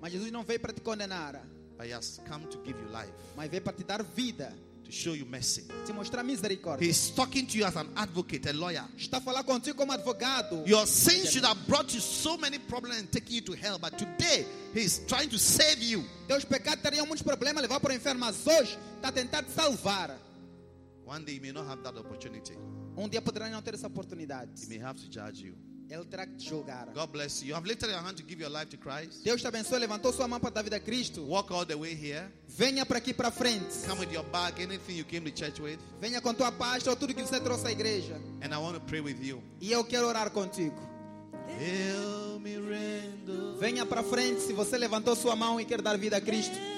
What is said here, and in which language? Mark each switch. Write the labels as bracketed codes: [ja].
[pt] Mas Jesus não veio para te condenar. [en] But he has come to give you life. [pt] Mas veio para te dar vida. [en] Show you mercy. [pt] Te mostrar misericórdia. [en] He's talking to you as an advocate, a lawyer. [pt] Está falando contigo como advogado. [en] Your sins should have brought you so many problems and taken you to hell, but today he's trying to save you. [pt] Teus pecados teriam muitos problemas, levar para o inferno, mas hoje está tentando te salvar. [en] One day you may not have that opportunity. [pt] Um dia poderá não ter essa oportunidade. [en] He may have to judge you. [pt] Ele terá que te julgar. [en] God bless you. You have lifted your hand to give your life to Christ. [pt] Deus te abençoe, levantou sua mão para dar vida a Cristo. [en] Walk all the way here. [pt] Venha para aqui para frente. [en] Come with your bag, anything you came to church with. [pt] Venha com tua pasta ou tudo que você trouxe à igreja. [en] And I want to pray with you. [pt] E eu quero orar contigo. Eu me rendo. Venha para frente se você levantou sua mão e quer dar vida a Cristo.